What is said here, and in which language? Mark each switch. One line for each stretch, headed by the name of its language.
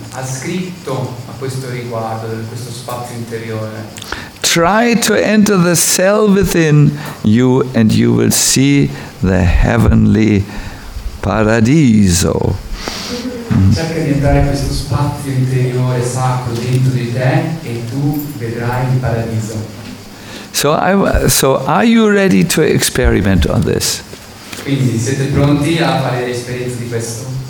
Italian: Ha scritto a questo riguardo, questo spazio interiore.
English: Try to enter the cell within you and you will see the heavenly paradiso.
Italian: Cerca di entrare in questo spazio interiore sacro dentro di te e tu vedrai il paradiso.
English: So are you ready to experiment on this?
Italian: Quindi siete pronti a fare l'esperienza di questo?